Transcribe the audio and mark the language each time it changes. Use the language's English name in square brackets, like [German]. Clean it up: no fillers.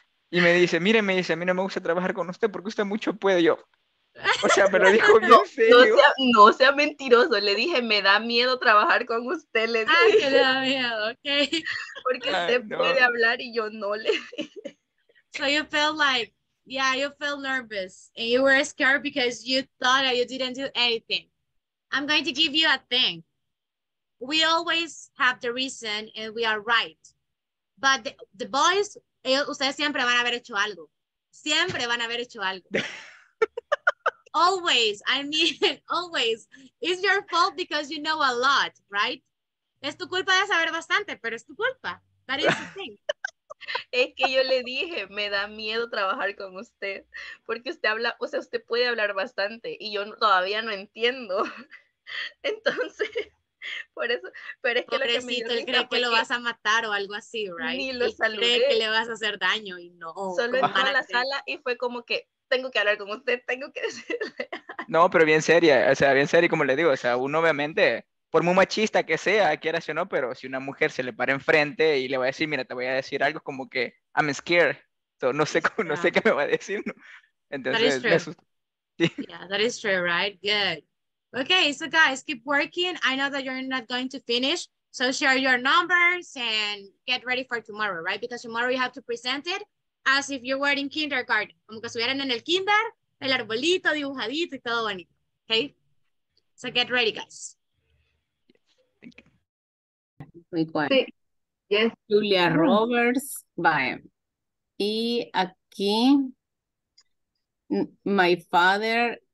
[Spanish] Y me dice, mire, me dice, a mí no me gusta trabajar con usted porque usted mucho puede. Yo, o sea, me lo dijo bien serio. No sea mentiroso, le dije, me da miedo trabajar con usted. Le dije, ay, que le da miedo, ok. Porque usted puede hablar y yo no le dije. [English] So you felt like, yeah, you felt nervous. And you were scared because you thought that you didn't do anything. I'm going to give you a thing. We always have the reason and we are right. But the boys... [Spanish] Ustedes siempre van a haber hecho algo. Siempre van a haber hecho algo. [English] Always, I mean, always. It's your fault because you know a lot, right? [Spanish] Es tu culpa de saber bastante, pero es tu culpa. [English] That is the thing. [Spanish] Es que yo le dije, me da miedo trabajar con usted. Porque usted habla, o sea, usted puede hablar bastante. Y yo todavía no entiendo. Entonces... Por eso, pero es que pobrecito, él cree que lo vas a matar o algo así, right? Ni lo saludé. Cree que le vas a hacer daño y no. Solo entró a la sala y fue como que tengo que hablar con usted, tengo que decirle. No, pero bien seria, o sea, bien seria, como le digo, o sea, uno obviamente, por muy machista que sea, quiera o no, pero si una mujer se le para enfrente y le va a decir, mira, te voy a decir algo, como que [English] I'm scared, so, [Spanish] no sé cómo, no sé qué me va a decir. Entonces, [English] that is true. Sí. Yeah, that is true, right? Good. Okay, so guys, keep working. I know that you're not going to finish. So share your numbers and get ready for tomorrow, right? Because tomorrow you have to present it as if you were in kindergarten. [Spanish] Como que estuvieran en el kinder, el arbolito dibujadito y todo bonito. [English] Okay? So get ready, guys. Thank you. Yes, Julia Roberts. Bye. [Spanish] Y aquí, [English] my father...